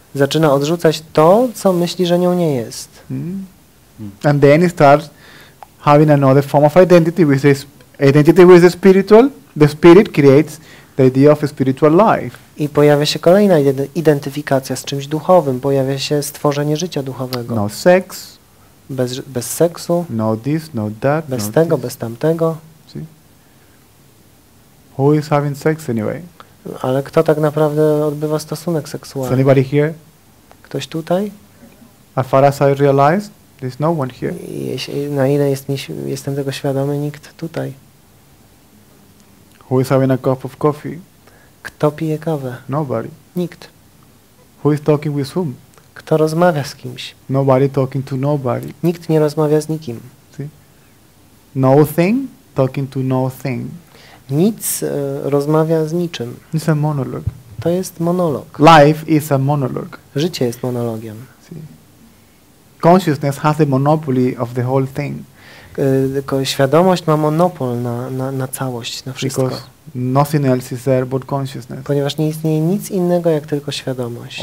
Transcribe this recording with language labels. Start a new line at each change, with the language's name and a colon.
Polish: Zaczyna odrzucać to, co myśli, że nią nie jest.
English: And then it starts having another form of identity, which is identity with the spiritual. The spirit creates the idea of a spiritual life.
Polish: I pojawia się kolejna identyfikacja z czymś duchowym. Pojawia się stworzenie życia duchowego.
English: No sex.
Polish: Bez seksu.
English: No this, no that.
Polish: Bez
English: no
Polish: tego,
English: this.
Polish: Bez tamtego.
English: See? Who is having sex anyway?
Polish: Ale kto tak naprawdę odbywa stosunek seksualny?
English: Is anybody here?
Polish: Ktoś tutaj?
English: As far as I realize, there's no one here.
Polish: Na ile jestem tego świadomy, nikt tutaj.
English: Who is having a cup of coffee?
Polish: Kto pije kawę?
English: Nobody.
Polish: Nikt.
English: Who is talking with whom?
Polish: Kto rozmawia z kimś?
English: Nobody talking to nobody.
Polish: Nikt nie rozmawia z nikim.
English: See? No thing talking to no thing.
Polish: Nic rozmawia z niczym.
English: It's a monologue.
Polish: To jest monolog.
English: Life is a monologue.
Polish: Życie jest monologiem.
English: See? Consciousness has the monopoly of the whole thing.
Polish: Tylko świadomość ma monopol na całość, na wszystko.
English: Because nothing else is there but consciousness.
Polish: Ponieważ nie istnieje nic innego jak tylko świadomość.